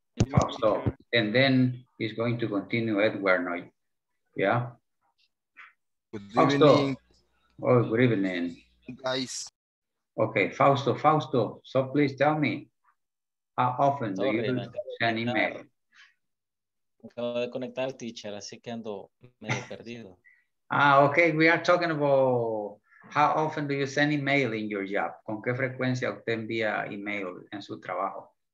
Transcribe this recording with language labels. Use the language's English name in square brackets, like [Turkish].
[English] Fausto, and then he's going to continue Edward Noy. Yeah? Good evening. Guys. Okay, Fausto, so please tell me, how often do you send email? [Spanish] Acabo de conectar, teacher, así que ando medio perdido. [English] Okay, we are talking about how often do you send email in your job? [Spanish] ¿Con qué frecuencia usted envía email en su trabajo?